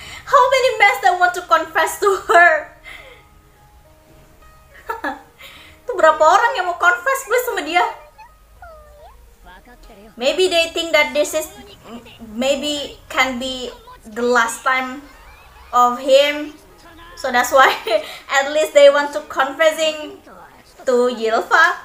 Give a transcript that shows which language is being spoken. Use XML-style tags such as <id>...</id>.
<en>How many men that want to confess to her?</en> <id>Itu berapa orang yang mau confess please sama dia?</id> <en>Maybe they think that this is maybe can be the last time of him. So that's why at least they want to confessing to Yilva.</en>